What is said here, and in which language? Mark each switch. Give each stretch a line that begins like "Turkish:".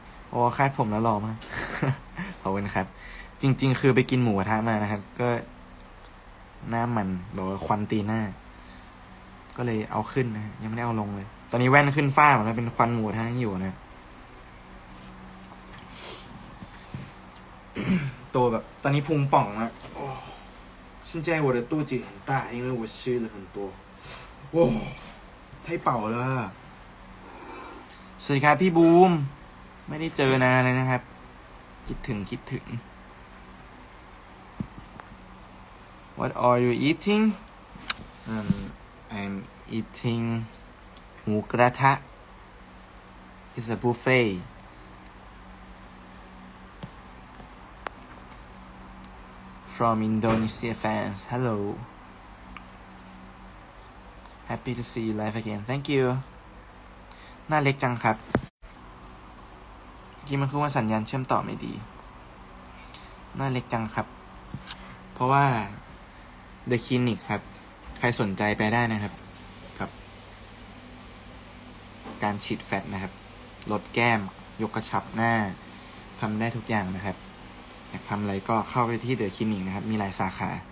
Thai: โอ้คาดผมแล้วหล่อมากขอบคุณครับจริงๆคือไปกินหมูกระทะมานะครับก็หน้ามันบอกว่าควันตีหน้าก็เลยเอาขึ้นนะยังไม่ได้เอาลงเลยตอนนี้แว่นขึ้นฟ้าหมดแล้วเป็นควันหมูกระทะอยู่นะ ตัวแบบตอนนี้พุงป่องมาก
Chinese: 现在我的肚子很大，因为我吃了很多。哇，太饱了。
Thai: สวัสดีครับพี่บูมไม่ได้เจอนานเลยนะครับคิดถึง
English: What are you eating? I'm eating หมูกระทะ It's a buffet. From Indonesia fans, hello. Happy to see you live again. Thank you.
Thai: หน้าเล็กจังครับเมื่อกี้มันคือว่าสัญญาณเชื่อมต่อไม่ดีหน้าเล็กจังครับเพราะว่า The Clinic ครับใครสนใจไปได้นะครับครับการฉีดแฟตนะครับลดแก้มยกกระชับหน้าทำได้ทุกอย่างนะครับอยากทำอะไรก็เข้าไปที่เดอะคลินิกนะครับมีหลายสาขา